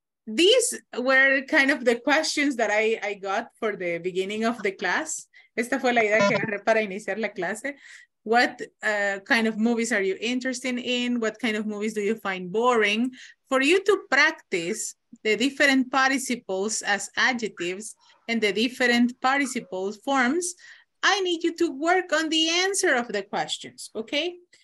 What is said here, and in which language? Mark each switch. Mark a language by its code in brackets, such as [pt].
[en] These were kind of the questions that I got for the beginning of the class. [es] Esta fue la idea que agarré para iniciar la clase. [en] What kind of movies are you interested in? What kind of movies do you find boring? For you to practice the different participles as adjectives and the different participle forms, I need you to work on the answer of the questions, okay?